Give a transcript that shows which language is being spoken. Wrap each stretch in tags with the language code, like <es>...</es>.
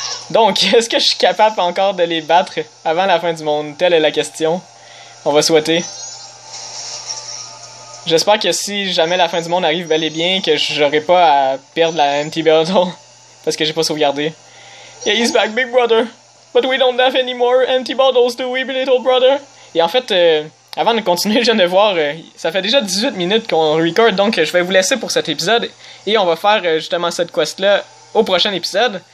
<fr>Donc, est-ce que je suis capable encore de les battre avant la fin du monde? Telle est la question. On va souhaiter. J'espère que si jamais la fin du monde arrive bel et bien, que j'aurai pas à perdre la empty bottle. Parce que j'ai pas sauvegardé.</fr> <en>Yeah, he's back, big brother. But we don't have any more empty bottles, do we, little brother?</en> <fr>Et en fait, avant de continuer, je viens de voir, ça fait déjà 18 minutes qu'on record, donc je vais vous laisser pour cet épisode. Et on va faire justement cette quest-là au prochain épisode.</fr>